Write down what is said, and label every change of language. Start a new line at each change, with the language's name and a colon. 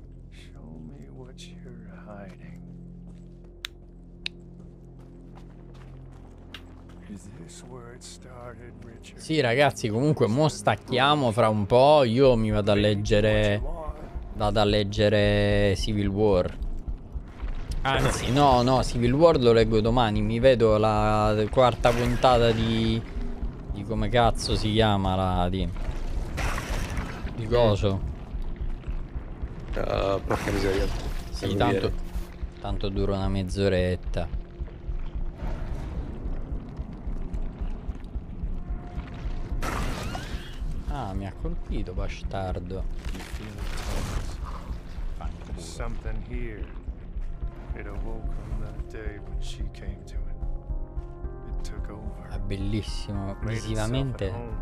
English: Show me what you're hiding. Is this where it started, Richard?
Italian: Sì, ragazzi, comunque mo stacchiamo fra un po', io mi vado a leggere Civil War. Anzi, no, no, Civil War lo leggo domani, mi vedo la quarta puntata di come cazzo si chiama la di coso. Porca miseria. Sì, tanto dura una mezz'oretta. Ah, mi ha colpito, bastardo.
English: Something here. It awoke on that day when she came to it. It took over.
Italian: È bellissimo, visivamente.